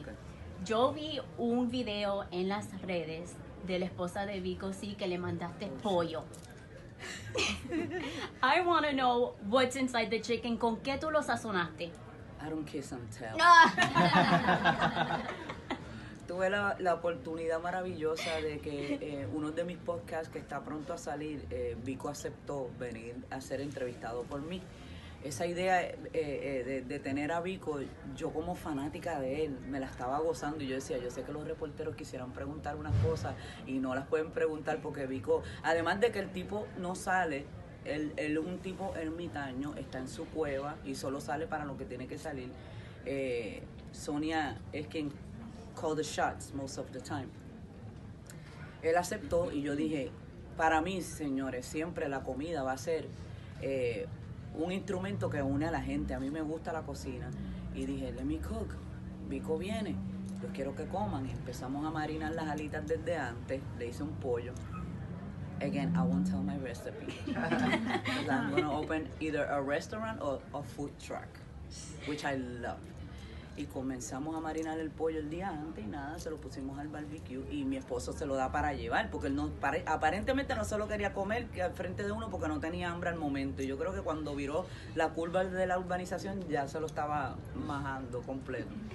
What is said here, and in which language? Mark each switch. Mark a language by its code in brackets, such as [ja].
[es] Okay. Yo vi un video en las redes de la esposa de Vico, sí, que le mandaste pollo. [en] I want to know what's inside the chicken. [es] ¿Con qué tú lo sazonaste? [en] I don't kiss and tell. No. [es] Tuve la oportunidad maravillosa de que uno de mis podcasts que está pronto a salir, Vico aceptó venir a ser entrevistado por mí. Esa idea de tener a Vico, yo como fanática de él, me la estaba gozando. Y yo decía, yo sé que los reporteros quisieran preguntar unas cosas y no las pueden preguntar porque Vico, además de que el tipo no sale, él es un tipo ermitaño, está en su cueva y solo sale para lo que tiene que salir. Sonia es quien [en] call the shots most of the time. [es] Él aceptó y yo dije, para mí, señores, siempre la comida va a ser un instrumento que une a la gente. A mí me gusta la cocina. Y dije, [en] let me cook. [es] Vico viene. Yo quiero que coman. Y empezamos a marinar las alitas desde antes. Le hice un pollo. [en] again, I won't tell my recipe. I'm going to open either a restaurant or a food truck, which I love. [es] Y comenzamos a marinar el pollo el día antes y nada, se lo pusimos al barbecue y mi esposo se lo da para llevar porque él no, aparentemente no se lo quería comer al frente de uno porque no tenía hambre al momento. Y yo creo que cuando viró la curva de la urbanización ya se lo estaba majando completo.